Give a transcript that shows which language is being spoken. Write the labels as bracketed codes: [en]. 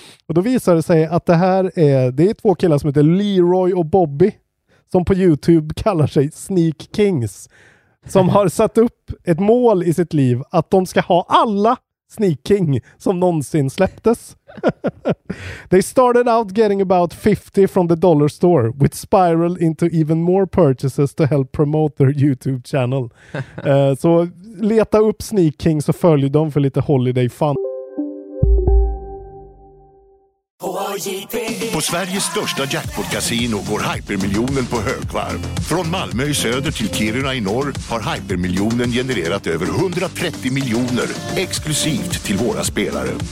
[sv] Och då visar det sig att det är två killar som heter Leroy och Bobby. Som på YouTube kallar sig Sneak Kings. Som har satt upp ett mål i sitt liv att de ska ha alla Sneak King som någonsin släpptes. [en] They started out getting about 50 from the dollar store, which spiraled into even more purchases to help promote their YouTube channel. [sv] Så leta upp Sneak King så följer dem för lite holiday fun. På Sveriges största jackpot-casino går Hypermiljonen på högvarv. Från Malmö i söder till Kiruna i norr har Hypermiljonen genererat över 130 miljoner exklusivt till våra spelare.